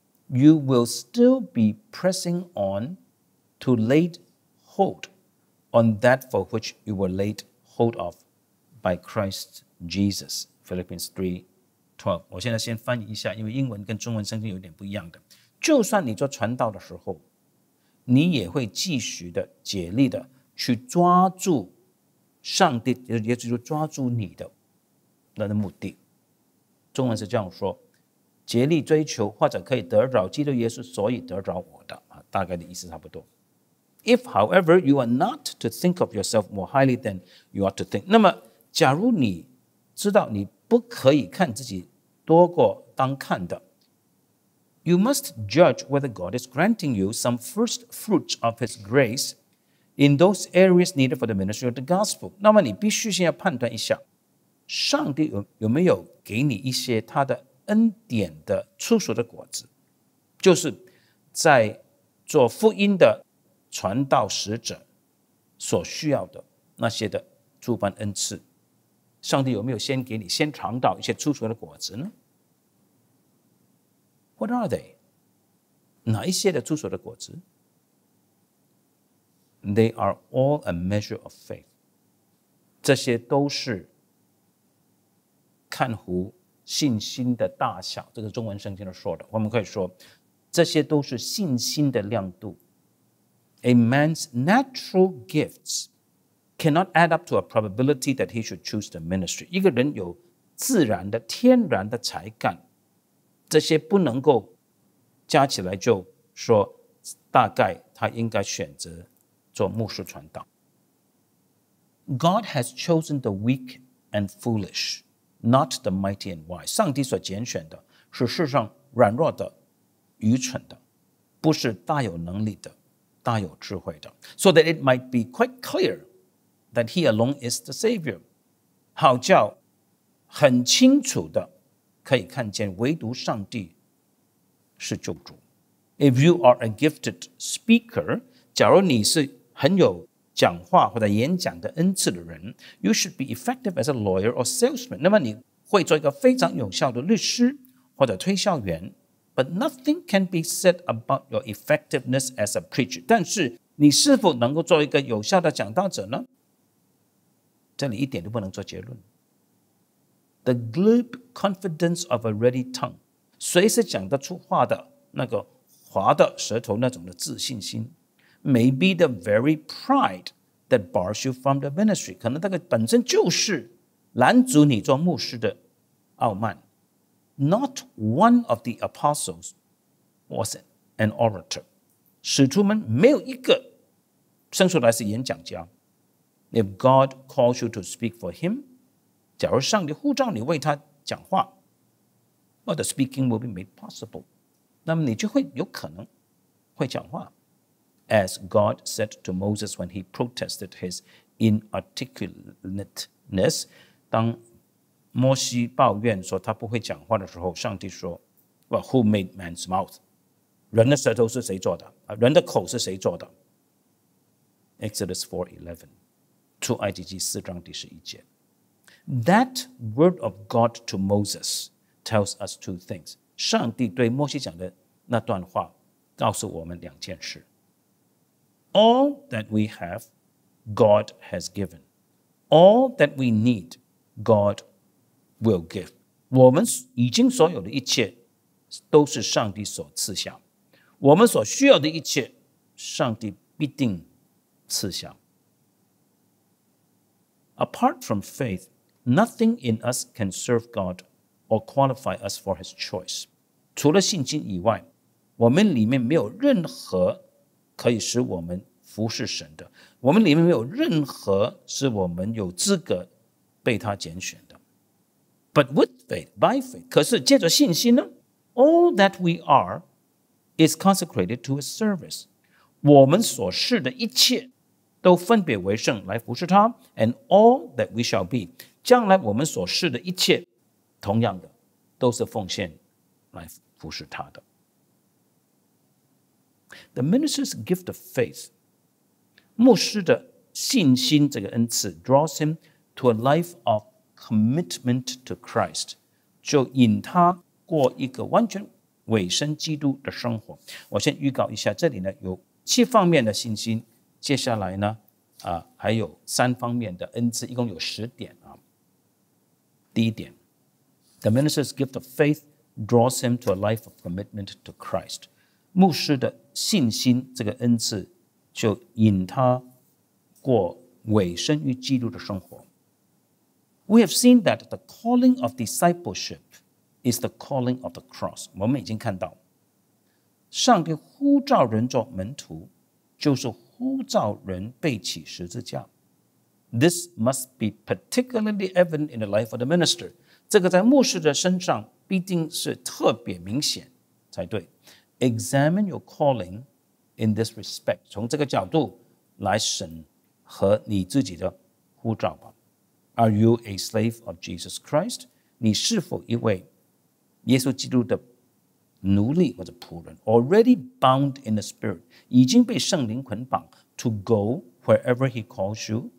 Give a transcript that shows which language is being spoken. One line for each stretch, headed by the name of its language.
English: you will still be pressing on to lay hold on that for which you were laid hold of by Christ Jesus. Philippians 3:12.
Chinese: 我现在先翻译一下，因为英文跟中文圣经有点不一样的。就算你做传道的时候，你也会继续的竭力的去抓住上帝，也就是抓住你的那个目的。中文是这样说，竭力追求或者可以得着基督耶稣，所以得着我的，大概的意思差不多。
English: If, however, you are not to think of yourself more highly than you ought to think,
Chinese: 那么假如你知道你不可以看自己多过当看的，
English: You must judge whether God is granting you some first fruits of his grace in those areas needed for the ministry of the gospel.
Chinese: 那么你必须先要判断一下，上帝 有没有给你一些他的恩典的初熟的果子，就是在做福音的传道使者所需要的那些的诸般恩赐，上帝有没有先给你先尝到一些初熟的果子呢？
English: What are they?
Chinese: 哪一些的初熟的果子？
English: They are all a measure of faith.
Chinese: 这些都是看乎信心的大小，这个中文圣经说的，我们可以说这些都是信心的亮度。
English: A man's natural gifts cannot add up to a probability that he should choose the ministry.
Chinese: 一个人有自然的天然的才干，这些不能够加起来就说大概他应该选择做牧师传道。
English: God has chosen the weak and foolish, not the mighty and wise.
Chinese: 上帝所拣选的是世上软弱的愚蠢的，不是大有能力的大有智慧的。
English: So that it might be quite clear that he alone is the Savior.
Chinese: 好叫很清楚的可以看见唯独上帝是救主。
English: If you are a gifted speaker,
Chinese: 假如你是很有讲话或者演讲的恩赐的人，
English: you should be effective as a lawyer or salesman.
Chinese: 那么你会做一个非常有效的律师或者推销员。
English: But nothing can be said about your effectiveness as a preacher.
Chinese: 但是你是否能够做一个有效的讲道者呢？这里一点都不能做结论。
English: The glib confidence of a ready tongue.
Chinese: 随时讲得出话的那个滑的舌头那种的自信心。
English: May be the very pride that bars you from the ministry.
Chinese: 可能那个本身就是拦阻你做牧师的傲慢。
English: Not one of the apostles was an orator.
Chinese: 使徒们没有一个生出来是演讲家。
English: If God calls you to speak for him,
Chinese: 假如上帝呼召你为他讲话，
English: well, the speaking will be made possible.
Chinese: 那么你就会有可能会讲话。
English: As God said to Moses when he protested his inarticulateness,
Chinese: 当摩西抱怨说他不会讲话的时候，上帝说
English: Well, who made man's mouth?
Chinese: 人的舌头是谁做的？人的口是谁做的？
English: Exodus 4:11,
Chinese: 出埃及记四章第十一节。
English: That word of God to Moses tells us two things.
Chinese: 上帝对摩西讲的那段话告诉我们两件事。
English: All that we have, God has given. All that we need, God has given. Will give.
Chinese: 我们已经所有的一切都是上帝所赐下，我们所需要的一切上帝必定赐下。
English: Apart from faith, nothing in us can serve God or qualify us for his choice.
Chinese: 除了信心以外，我们里面没有任何可以使我们服侍神的，我们里面没有任何使我们有资格被他拣选。
English: But with faith, by faith,
Chinese: 可是借着信心呢，
English: all that we are is consecrated to his service.
Chinese: 我们所是的一切都分别为圣来服侍他，
English: and all that we shall be,
Chinese: 将来我们所是的一切同样的都是奉献来服侍他的。
English: The minister's gift of faith,
Chinese: 牧师的信心这个恩赐
English: draws him to a life ofcommitment to Christ,
Chinese: 就引他过一个完全委身基督的生活。我先预告一下，这里呢有七方面的信心，接下来呢还有三方面的恩赐，一共有十点啊。第一点，
English: The minister's gift of faith draws him to a life of commitment to Christ.
Chinese: 牧师的信心这个恩赐就引他过委身于基督的生活。
English: We have seen that the calling of discipleship is the calling of the cross.
Chinese: 我们已经看到上帝呼召人做门徒就是呼召人背起十字架。
English: This must be particularly evident in the life of the minister.
Chinese: 这个在牧师的身上必定是特别明显才对。
English: Examine your calling in this respect.
Chinese: 从这个角度来审核你自己的呼召吧。
English: Are you a slave of Jesus Christ?
Chinese: 你是否一位耶稣基督的奴隶或者仆人
English: ？Already bound in the Spirit,
Chinese: 已经被圣灵捆绑
English: ，to go wherever He calls you.